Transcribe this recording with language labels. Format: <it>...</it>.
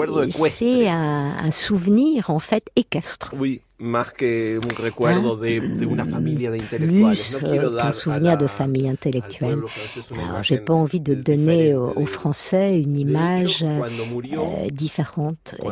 <fr>C'est un souvenir en fait équestre.</fr> <es>Oui, más que un recuerdo de una familia de intelectuales.</es> <fr>Plus qu'un souvenir de famille intellectuelle. Alors, j'ai pas envie de donner aux Français une image différente.</fr>